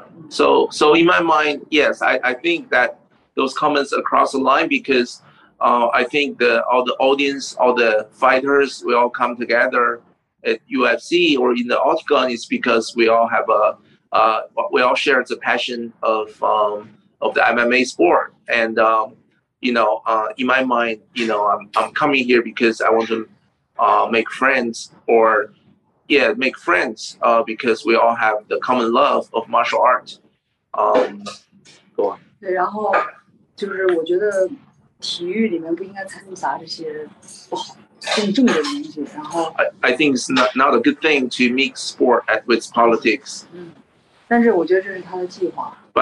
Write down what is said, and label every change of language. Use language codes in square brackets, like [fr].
[en] So in my mind, yes, I think that those comments across the line, because I think all the audience, all the fighters, we all come together at UFC or in the Octagon, is because we all have we all share the passion of the MMA sport. And in my mind, you know, I'm coming here because I want to make friends, because we all have the common love of martial art. Go on. [zh] 对，然后就是我觉得体育里面不应该掺杂这些不好、更正的东西。然后 [en] I think it's not a good thing to mix sport with politics. [zh] 嗯，但是我觉得这是他的计划。But